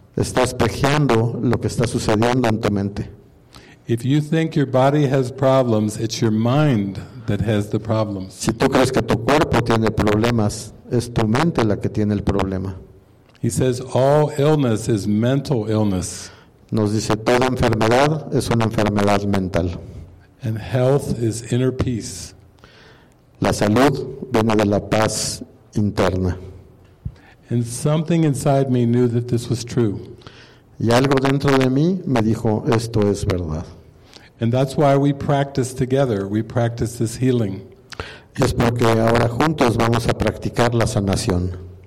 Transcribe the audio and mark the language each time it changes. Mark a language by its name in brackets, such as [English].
[Spanish] Está espejeando lo que está sucediendo en tu mente. [English] If you think your body has problems, it's your mind that has the problems. [Spanish] Si tú crees que tu cuerpo tiene problemas, es tu mente la que tiene el problema. [English] He says all illness is mental illness. [Spanish] Nos dice toda enfermedad es una enfermedad mental. [English] And health is inner peace. [Spanish] La salud viene de la paz interna. [English] And something inside me knew that this was true. [Spanish] Y algo dentro de mí me dijo, esto es verdad. [English] And that's why we practice together. We practice this healing. [Spanish] Y es porque ahora juntos vamos a practicar la sanación.